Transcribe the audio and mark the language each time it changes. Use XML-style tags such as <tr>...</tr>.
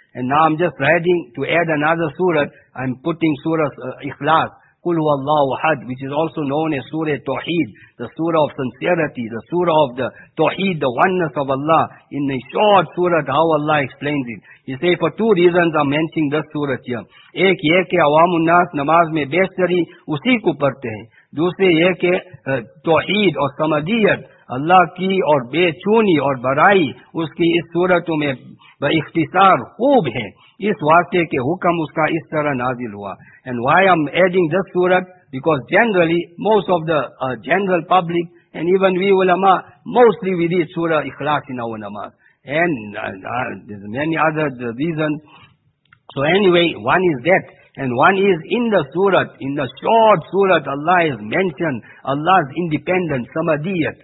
<en>And now I'm just writing to add another surah, I'm putting Surah Ikhlas,</en> <ar>kul huwa Allahu ahad,</ar> <en>which is also known as Surah Tawheed, the Surah of Sincerity, the Surah of the Tawheed, the Oneness of Allah, in a short surah, how Allah explains it. He says, for two reasons I'm mentioning this surah here.</en> <ur>Ek ye ke awamun nas namaz mein behtari usi ko padte hain. دوسرے یہ کہ توحید اور سمدیت اللہ کی اور بے چونی اور برائی اس کی اس صورتوں میں باختصار خوب ہے اس واسطے کے حکم اس کا اس طرح نازل ہوا.</ur> <en>And why I'm adding this surah? Because generally most of the general public and even we ulama mostly we read surah ikhlas in our namaz and there's many other reasons. So anyway, one is that. And one is in the surah, in the short surah, Allah has mentioned Allah's independence, samadiyat.</en>